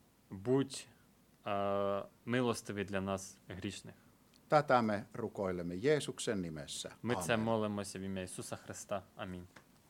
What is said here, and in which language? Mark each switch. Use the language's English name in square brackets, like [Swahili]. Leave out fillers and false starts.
[Ukrainian] Будь милостиві для нас грішних. [Finnish] Tätä me rukoilemme Jeesuksen nimessä. [Ukrainian] Ми це молимося в ім'я Ісуса Христа. Амінь.